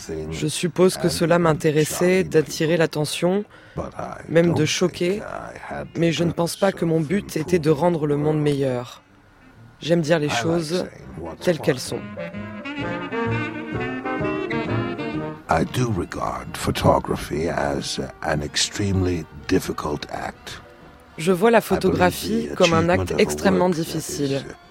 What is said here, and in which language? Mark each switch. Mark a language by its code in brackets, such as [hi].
[fr] Je suppose que cela m'intéressait d'attirer l'attention, même de choquer, mais je ne pense pas que mon but était de rendre le monde meilleur. J'aime dire les choses telles qu'elles sont. [en] I do regard photography as an extremely difficult act. [fr] Je vois la photographie comme un acte extrêmement difficile.